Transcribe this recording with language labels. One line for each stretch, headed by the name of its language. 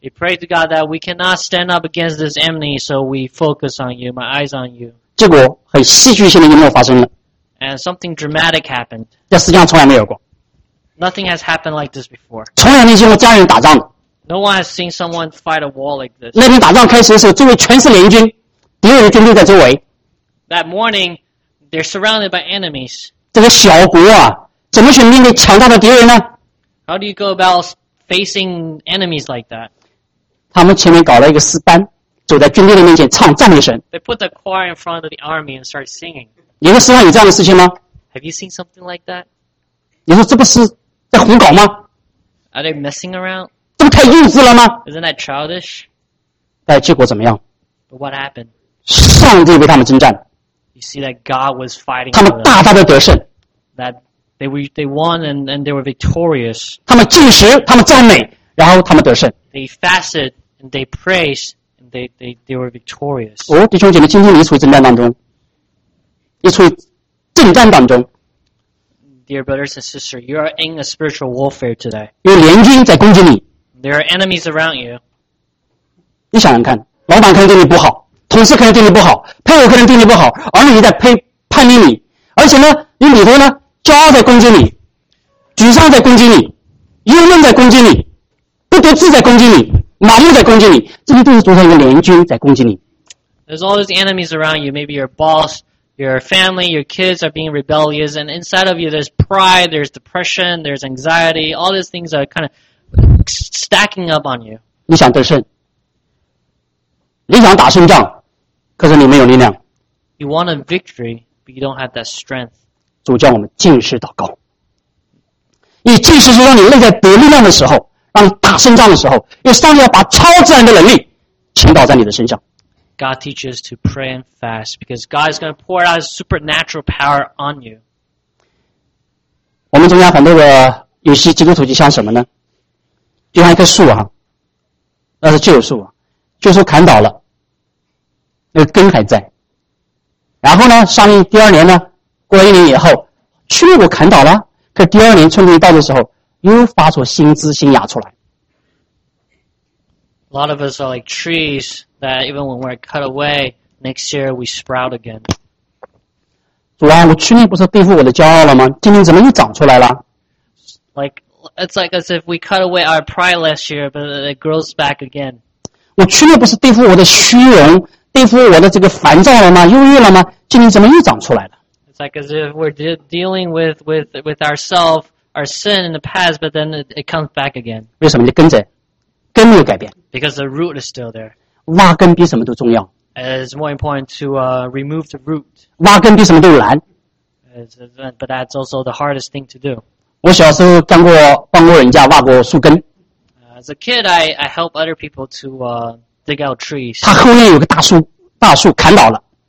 English: He prayed to God that we cannot stand up against this enemy, so we focus on you, my eyes on you.
Chinese: 结果很戏剧性的一幕发生了。
English: And something dramatic happened.
Chinese: 这世界上从来没有过。
English: Nothing has happened like this before.
Chinese: 从来没见过家人打仗。
English: No one has seen someone fight a war like this.
Chinese: 那天打仗开始的时候，周围全是联军，敌人军队在周围。
English: That morning, they're surrounded by enemies.
Chinese: 这个小国啊，怎么去面对强大的敌人呢？
English: How do you go about facing enemies like that?
Chinese: 他们前面搞了一个诗班，走在军队的面前唱赞美神。
English: They put the choir in front of the army and start singing.
Chinese: 你的诗班有这样的事情吗？
English: Have you seen something like that?
Chinese: 你说这不是在胡搞吗？
English: Are they messing around?
Chinese: 这不太幼稚了吗？
English: Isn't that childish?
Chinese: 但结果怎么样？
English: But what happened?
Chinese: 上帝为他们征战。
English: You see that God was fighting.
Chinese: 他们大大的得胜。
English: That they won and they were victorious.
Chinese: 他们进食，他们赞美，然后他们得胜。
English: They fasted and they praised and they were victorious.
Chinese: 哦，弟兄姐妹，今天你处于征战当中，你处于征战当中。
English: Dear brothers and sisters, you are in a spiritual warfare today.
Chinese: 有联军在攻击你。
English: There are enemies around you.
Chinese: 你想想看，老板可能对你不好，同事可能对你不好，配偶可能对你不好，儿女在叛逆你，而且呢，你里头呢，骄傲在攻击你，沮丧在攻击你，忧闷在攻击你，不得志在攻击你，盲目在攻击你，这些都是组成一个联军在攻击你。
English: There's all these enemies around you. Maybe your boss, your family, your kids are being rebellious, and inside of you there's pride, there's depression, there's anxiety. All these things are kind of stacking up on you.
Chinese: 你想得胜，你想打胜仗，可是你没有力量。
English: You want a victory, but you don't have that strength.
Chinese: 主叫我们进食祷告。你进食是让你内在得力量的时候，让你打胜仗的时候，因为上帝要把超自然的能力倾倒在你的身上。
English: God teaches to pray and fast because God is going to pour out His supernatural power on you.
Chinese: 我们中间反对的有些基督徒就像什么呢？就像一棵树啊，那是旧树啊，旧树砍倒了，那个根还在。然后呢，上帝第二年呢，过了一年以后，去年我砍倒了，可第二年春天到的时候，又发出新枝新芽出来。
English: A lot of us are like trees that even when we're cut away, next year we sprout again.
Chinese: 主啊，我去年不是对付我的骄傲了吗？今年怎么又长出来了？
English: Like it's like as if we cut away our pride last year, but it grows back again.
Chinese: 我去年不是对付我的虚荣，对付我的这个烦躁了吗？忧郁了吗？今年怎么又长出来了？
English: It's like as if we're dealing with ourselves, our sin in the past, but then it comes back again.
Chinese: 为什么？你跟着。根没有改变。
English: Because the root is still there.
Chinese: 挖根比什么都重要。
English: It's more important to remove the root.
Chinese: 挖根比什么都难。
English: But that's also the hardest thing to do.
Chinese: 我小时候帮过人家挖过树根。
English: As a kid, I help other people to dig out trees.
Chinese: 他后面有个大树砍倒了。